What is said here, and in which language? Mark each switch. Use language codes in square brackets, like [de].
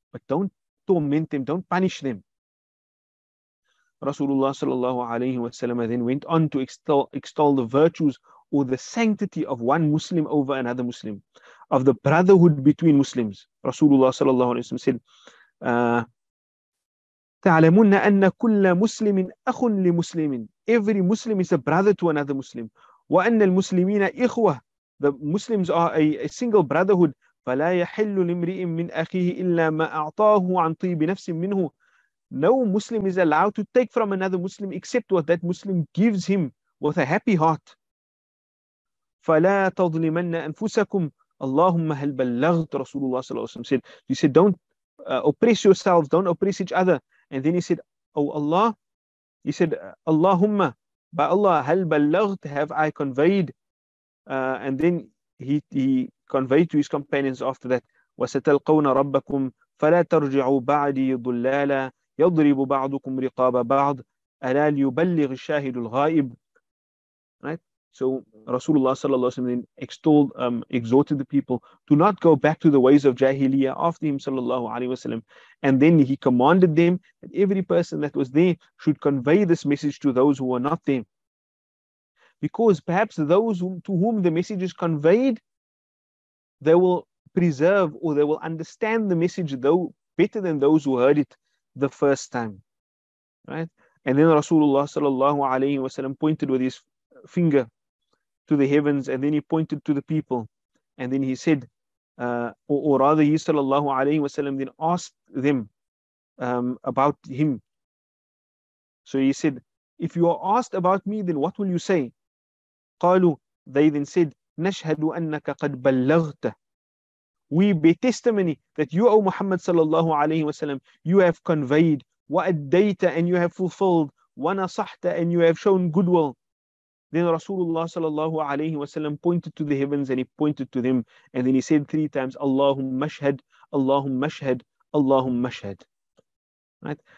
[en] But don't torment them, don't punish them. Rasulullah sallallahu alayhi wa sallam then went on to extol the virtues or the sanctity of one Muslim over another Muslim, of the brotherhood between Muslims. Rasulullah sallallahu alayhi wa sallam said, [ar] تعلمون أن كل مسلم أخ لمسلم. [en] Every Muslim is a brother to another Muslim. [ar] وأن المسلمين إخوة. [en] The Muslims are a single brotherhood. [ar] فلا يحل لامرئ من أخيه إلا ما أعطاه عن طيب نفس منه. [en] No Muslim is allowed to take from another Muslim except what that Muslim gives him with a happy heart. [ar] فلا تظلمن أنفسكم. اللهم هل بلغت رسول الله صلى الله عليه وسلم [en] said, he said, don't oppress yourselves, don't oppress each other. And then he said, oh Allah, he said, Allahumma, by Allah, [ar] hal balaght, [en] have I conveyed? And then he conveyed to his companions after that, [ar] وَسَتَلْقَوْنَ رَبَّكُمْ فَلَا تَرْجِعُوا بَعْدِي ضُلَّالًا يَضْرِبُ بَعْضُكُمْ رِقَابَ بَعْضٍ أَلَا لِيُبَلِّغِ الشَّاهِدُ الْغَائِبُ. [en] Right? So Rasulullah sallallahu alayhi wa sallam then exhorted the people to not go back to the ways of Jahiliyyah after him sallallahu alayhi wa sallam. And then he commanded them that every person that was there should convey this message to those who were not there. Because perhaps those to whom the message is conveyed, they will preserve or they will understand the message though better than those who heard it the first time. Right? And then Rasulullah sallallahu alayhi wa sallam pointed with his finger to the heavens, and then he pointed to the people, and then he said, or rather he sallallahu alayhi wasallam then asked them about him. So he said, if you are asked about me, then what will you say? [ar] قالوا, [en] they then said, [ar] نشهد أنك قد بلغت. [en] We bear testimony that you, O Muhammad sallallahu alayhi wasallam, you have conveyed, [ar] وأديت, [en] and you have fulfilled, [ar] ونصحت, [en] and you have shown goodwill. Then Rasulullah sallallahu alayhi wa sallam pointed to the heavens and he pointed to them. And then he said three times, [ar] Allahumma shahad, Allahumma shahad, Allahumma shahad. [en] Right?